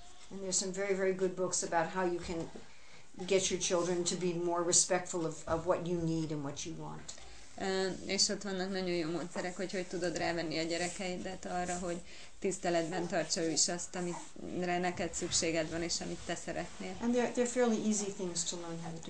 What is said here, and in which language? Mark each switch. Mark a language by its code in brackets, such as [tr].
[en] And there's some very, very good books about how you can get your children to be more respectful of what you need and what you want. [hu] És ott vannak nagyon jó módszerek, hogy tudod rávenni a gyerekeidet arra, hogy tiszteletben tartsa ő is azt, amire neked szükséged van, és amit te szeretnél. [en] And they're fairly easy things to learn how to do.